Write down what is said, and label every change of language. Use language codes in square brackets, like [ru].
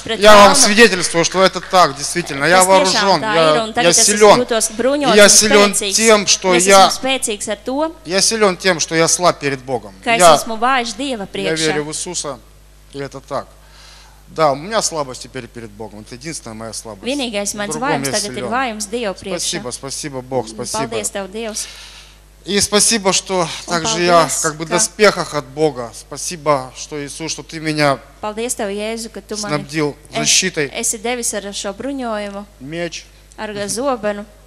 [ru] Я вам свидетельствую, что это так, действительно. Я вооружен, я силен. Я силен тем, что я силен тем, что я слаб перед Богом. Я верю в Иисуса, и это так. Да, у меня слабость теперь перед Богом. Это единственная моя слабость. [lv] Vienīgais mans vājums tagad ir vājums Dieva priekšā. [ru] Спасибо, спасибо, Бог, спасибо. [lv] Paldies Tev, Dievs. [ru] И спасибо, что также я как бы в доспехах от Бога. Спасибо, что Иисус, что ты меня [lv] Paldies Tev, Jēzu, ka tu [ru] снабдил защитой. [lv] Esi devis ar šo bruņojumu. [ru] Меч. [lv] Ar zobenu.